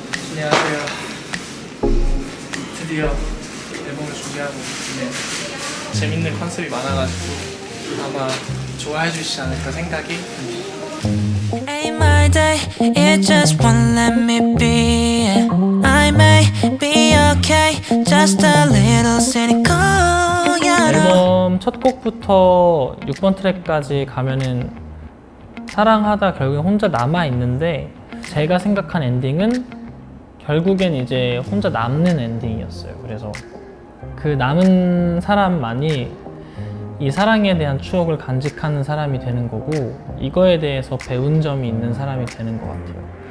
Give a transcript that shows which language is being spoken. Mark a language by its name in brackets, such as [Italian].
[Korean] 안녕하세요. 드디어 앨범을 준비하고 있는데 재밌는 컨셉이 많아가지고 아마 좋아해 주시지 않을까 생각이. [English] Ain't my day, it just won't let me be. I may be okay, just a little cynical. [Korean] 앨범 첫 곡부터 6번 트랙까지 가면은 사랑하다 결국엔 혼자 남아 있는데 제가 생각한 엔딩은 결국엔 이제 혼자 남는 엔딩이었어요. 그래서 그 남은 사람만이 이 사랑에 대한 추억을 간직하는 사람이 되는 거고 이거에 대해서 배운 점이 있는 사람이 되는 것 같아요.